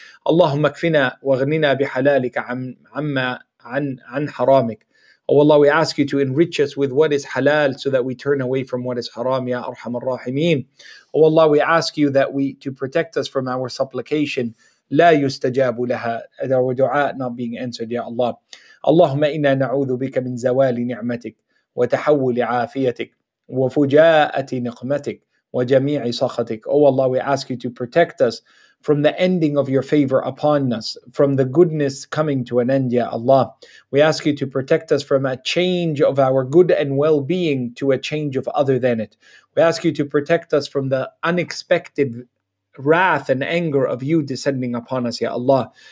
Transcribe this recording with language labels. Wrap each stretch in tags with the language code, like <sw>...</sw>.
<ar>Allahumma kfina wa ghnina bihalalika an haramik.</ar> <en>Oh Allah, we ask you to enrich us with what is halal so that we turn away from what is haram,</en> <ar>Ya Arham al-Rahimeen.</ar> <en>Oh Allah, we ask you that we to protect us from our supplication,</en> <ar>لا يستجاب لها,</ar> <en>our دعاء not being answered, Ya Allah.</en> <ar>اللهم إنا نعوذ بك من زوال نعمتك وتحول عافيتك وفجاءة نقمتك وجميع سخطك.</ar> <en>Oh Allah, we ask you to protect us from the ending of your favor upon us, from the goodness coming to an end, Ya Allah. We ask you to protect us from a change of our good and well-being to a change of other than it. We ask you to protect us from the unexpected wrath and anger of you descending upon us, Ya Allah.</en>